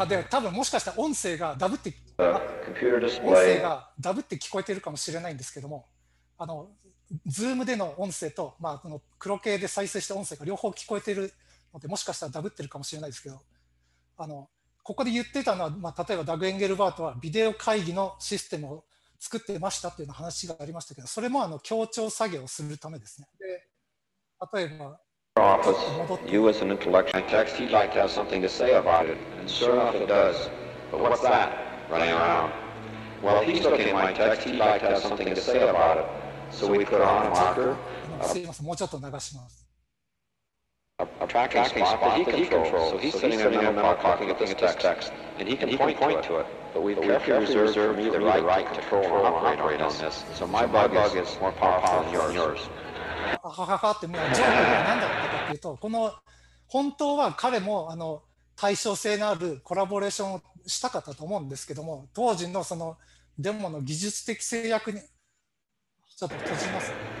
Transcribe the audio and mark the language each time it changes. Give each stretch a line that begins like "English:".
Japanese: たぶんもしかしたら音声がダブって聞こえてるかもしれないんですけども、Zoom での音声と、まあ、この黒系で再生した音声が両方聞こえてるので、もしかしたらダブってるかもしれないですけど、ここで言ってたのは、まあ、例えばダグ・エンゲルバートはビデオ会議のシステムを作ってましたっていう話がありましたけど、それも協調作業をするためですね。
English: で例えば You as an intellectual text, you'd like to have something to say about it, and sure enough it does. But what's that? Running around. Well, if he's looking at my text, he'd like to have something to say about it. So we put on a marker, a tracking spot that he controls. So he's sitting there in the middle talking at this text, and he can point to it. But we carefully reserve me the right to control and operate on this. So my bug is more powerful than yours.
Japanese: はははってもうジョークが何だったかというと、この本当は彼も対称性のあるコラボレーションをしたかったと思うんですけども、当時のそのデモの技術的制約にちょっと閉じます。